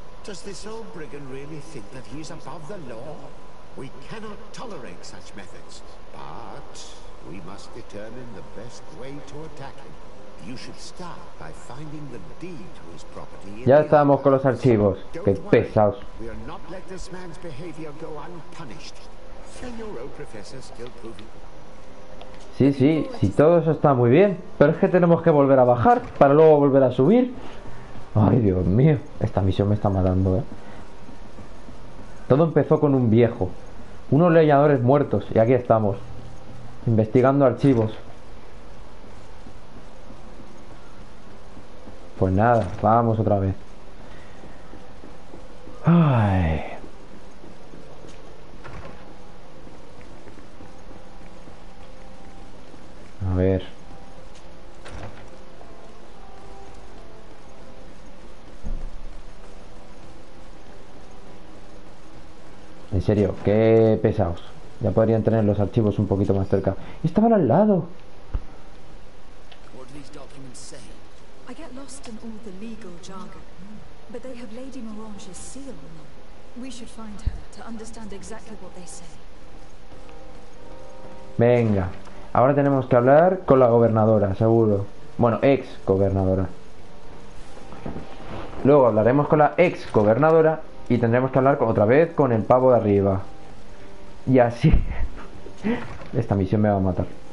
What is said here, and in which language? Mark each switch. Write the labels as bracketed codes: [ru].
[en] Does this old brigand really think that he's above the law? We cannot tolerate such methods, but we must determine the best way to attack him. You should start by finding the deed to his property. [es] Ya estamos con los archivos. Qué pesados. [en] We are not letting this man's behavior go unpunished. Señor Professor still proving. [es] Sí, sí, sí, todo eso está muy bien. Pero es que tenemos que volver a bajar para luego volver a subir. Ay, Dios mío, esta misión me está matando, ¿eh? Todo empezó con un viejo. Unos leñadores muertos. Y aquí estamos, investigando archivos. Pues nada, vamos otra vez. Ay. A ver. En serio, qué pesados. Ya podrían tener los archivos un poquito más cerca. Estaban al lado. [en] I get lost in all the legal jargon, but they have Lady Morange's seal on them. We should find her to understand exactly what they say. [es] Venga. Ahora tenemos que hablar con la gobernadora, seguro. Bueno, ex gobernadora. Luego hablaremos con la ex gobernadora y tendremos que hablar otra vez con el pavo de arriba. Y así. Esta misión me va a matar.